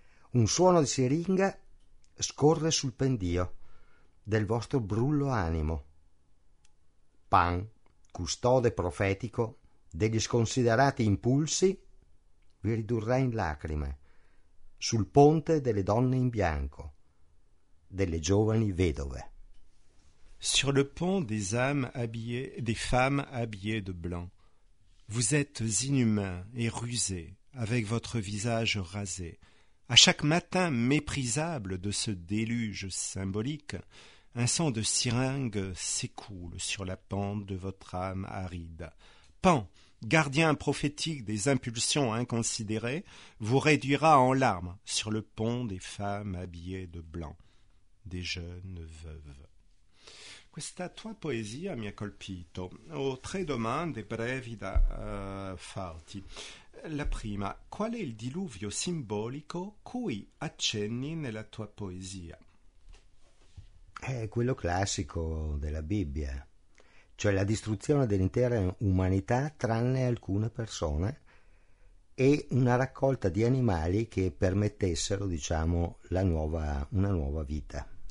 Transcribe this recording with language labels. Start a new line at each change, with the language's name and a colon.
Italian: Un suono di siringa scorre sul pendio del vostro brullo animo. Pan, custode profetico degli sconsiderati impulsi, vi ridurrà in lacrime sul ponte delle donne in bianco, delle giovani vedove.
French: Sur le pont des âmes habillées, des femmes habillées de blanc. Vous êtes inhumains et rusés, avec votre visage rasé. À chaque matin méprisable de ce déluge symbolique, un sang de siringue s'écoule sur la pente de votre âme aride. Pan, gardien prophétique des impulsions inconsidérées, vous réduira en larmes sur le pont des femmes habillées de blanc, des jeunes veuves.
Italian: Questa tua poesia mi ha colpito. Ho tre domande brevi da farti. La prima, qual è il diluvio simbolico cui accenni nella tua poesia? È quello classico della Bibbia, cioè la distruzione dell'intera umanità tranne alcune persone e una raccolta di animali che permettessero, diciamo, una nuova vita.